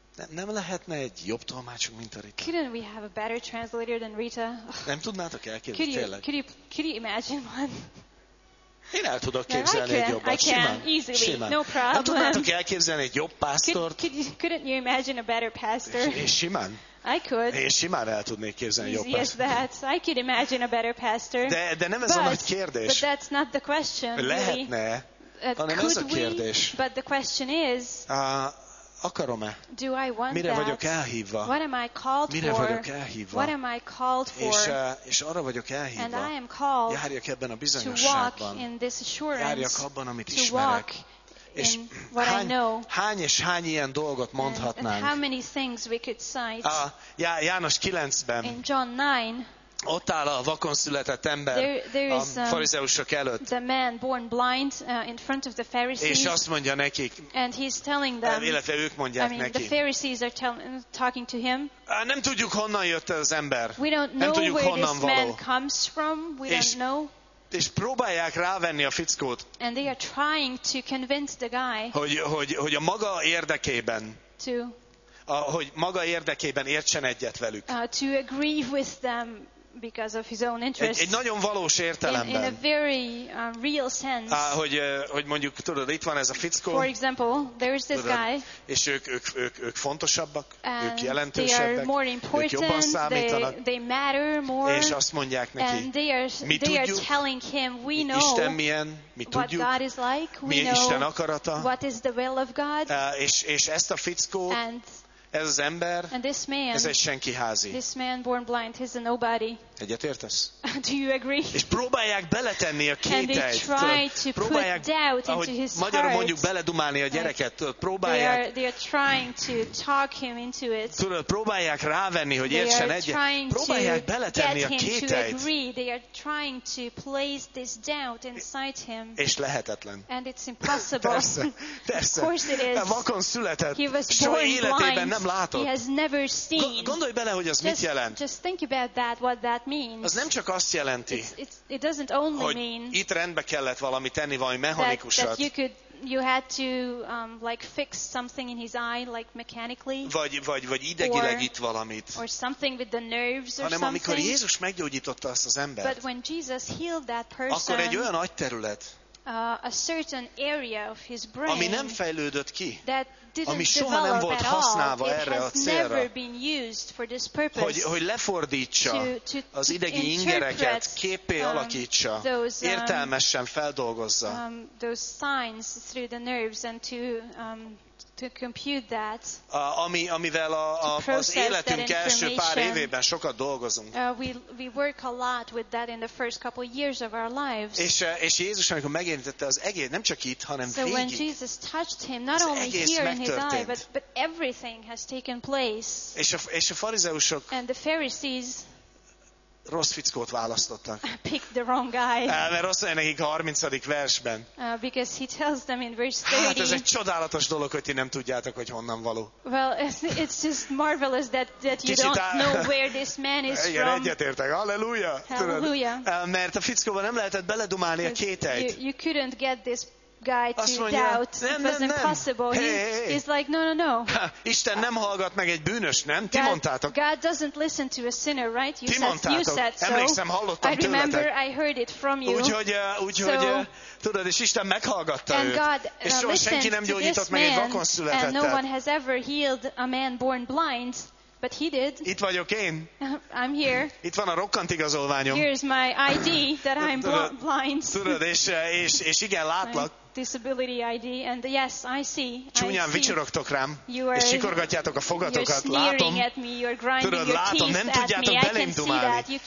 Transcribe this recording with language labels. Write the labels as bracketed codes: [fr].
[hu] Nem lehetne egy jobb tolmácsunk, mint a Rita? [en] Couldn't we have a better translator than Rita? [hu] Nem tudnátok elképzelni, tényleg? [en] Could you imagine one? [hu] Én el tudok képzelni egy jobbat. [en] I can, easily, [hu] simán. [en] No problem. [hu] Nem tudnátok elképzelni egy jobb pásztort? [en] Couldn't you imagine a better pastor? [hu] És simán. [en] I could. [hu] Én simán el tudnék képzelni jobb pásztort. [en] Easy as that. I could imagine a better pastor. [hu] De nem ez a nagy kérdés. [en] But that's not the question. [hu] Lehetne, hanem ez a kérdés. [en] But the question is... [hu] Akarom-e? [en] Do I want [hu] mire [en] that? [hu] Vagyok elhívva? [en] What am I called [hu] mire [en] for? [hu] Vagyok elhívva? [en] What am I called for? [hu] És arra vagyok elhívva. [en] And I am called [hu] járjak ebben a bizonyosságban. [en] To walk in this assurance. [hu] Járjak abban, amit [en] to [hu] ismerek. [en] Walk [hu] és [en] in what [hu] hány, [en] I know. [hu] Hány és hány ilyen dolgot mondhatnánk? [en] And how many things we could cite? [hu] János 9-ben. [en] In John 9. [hu] Ott áll a vakon született ember a farizeusok előtt. [en] The man born blind in front of the Pharisees. [hu] És azt mondja nekik. [en] And he's telling them. [hu] Illetve ők mondják [en] I mean, [hu] neki. [en] The Pharisees are talking to him. [hu] Nem tudjuk honnan jött ez az ember. [en] We don't know [hu] nem tudjuk [en] where [hu] honnan [en] this [hu] való. [en] Man comes from. We don't know. [hu] És próbálják rávenni a fickót. [en] And they are trying to convince the guy. [hu] Hogy a maga érdekében. [en] To [hu] hogy maga érdekében értsen egyet velük. [en] To agree with them. Because of his own interest. [hu] Egy nagyon valós értelemben. [en] In a very real sense. [hu] Hogy mondjuk tudod, itt van ez a fickó. [en] For example, there is this guy. [hu] És ők fontosabbak, ők jelentősebbek. [en] They are more important. They matter more. [hu] És azt mondják neki. [en] And they are telling him, we know. [hu] Isten milyen, mi tudjuk. [en] What God is like, we [hu] milyen [en] know. [hu] Isten akarata. [en] What is the will of God? [hu] És ezt a fickó. Ez az ember, [en] and this man, [hu] ez egy senki házi. [en] This man born blind, he's a nobody. [hu] Egyet értesz? [en] Do you agree? [hu] És próbálják beletenni a kételyt. [en] And they try to put doubt into his heart. [hu] Magyarul mondjuk beledumálni a gyereket. Próbálják. [en] They are trying to talk him into it. [hu] Tudod, próbálják rávenni, hogy értsen egyet. Próbálják beletenni a kételyt. [en] They are trying to get him to agree. They are trying to place this doubt inside him. [hu] És lehetetlen. [en] And it's impossible. [hu] Persze. [en] Of course it is. [hu] Vakon született. [en] He was born blind. [hu] Soha nem látott. [en] He has never seen. [hu] Gondolj bele, hogy ez mit jelent. [en] Just think about that, what that means. [hu] Az nem csak azt jelenti, [en] it doesn't only mean [hu] itt rendbe kellett valami tenni, valami mechanikusat. [en] You had to like fix something in his eye, like mechanically. [hu] Vagy idegileg itt valamit. [en] Or something with the nerves or [hu] hanem [en] something. [hu] Amikor Jézus meggyógyította azt az embert. [en] But when Jesus healed that person, [hu] akkor egy olyan agyterület, [en] a certain area of his brain, [hu] ami nem fejlődött ki, [en] that didn't [hu] ami soha nem volt használva erre a célra, [en] never been used for this purpose, [hu] hogy lefordítsa az idegi ingereket, képé alakítsa, értelmesen feldolgozza. [en] Those signs through the nerves and to compute that, [hu] amivel az életünk első pár évében sokat dolgozunk. [en] We work a lot with that in the first couple years of our lives. [hu] És Jézus, amikor megérintette az egész, nem csak itt, hanem végig. [en] So when Jesus touched him, not only here in his eye, but everything has taken place. [hu] És a farizeusok [en] and the Pharisees [hu] rossz fickót választottak. Picked the wrong guy. Mert rossz olyan nekik a 30. versben. [en] Because he tells them in verse 30. [hu] Hát ez egy csodálatos dolog, hogy ti nem tudjátok, hogy honnan való. [en] Well, it's just marvelous that you don't know where this man is from. [hu] Igen, egyetértek. Halleluja! Halleluja! Mert a fickóban nem lehetett beledumálni a kételyt. [en] You couldn't get this guy to [hu] mondja, [en] doubt. [hu] Nem, [en] it was impossible. Hey, he's like, no. [hu] Isten nem hallgat meg egy bűnös, nem? Ti mondtátok. [en] God doesn't listen to a sinner, right? You said so. [hu] Emlékszem, hallottam tőletek. [en] I remember, I heard it from you. [hu] Úgyhogy, tudod, és Isten meghallgatta [en] and [hu] őt. [en] God, [hu] és soha senki nem gyógyított meg egy vakon születettet. [en] And no one has ever healed a man born blind. But he did. [hu] Itt vagyok én. [en] I'm here. [hu] Itt van a rokkant igazolványom. [en] Here's my ID that I'm blind. [hu] Tudod, és igen, látlak. [en] Disability ID and yes, I see. [hu] Csúnyán vicsorogtok rám, és sikorgatjátok a fogatokat, látom. Tudod, látom, nem tudjátok belém dumálni.